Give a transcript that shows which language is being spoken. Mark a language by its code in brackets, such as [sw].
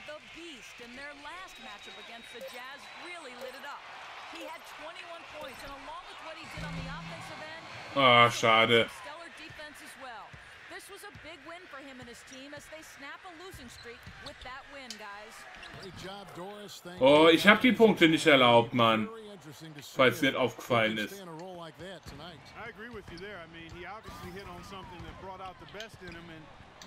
[en] The Beast in their last matchup against the Jazz really lit it up. He had 21 points, and along with what he did on the offensive end, [de] oh, schade. [en] Stellar defense as well. This was a big win for him and his team as they snap a losing streak with that win, guys. Great job, Doris. Thank you. [de] Oh, ich habe die Punkte nicht erlaubt, Mann. Falls dir aufgefallen ist. [en] I agree with you there. I mean, he obviously hit on something that brought out the best in him and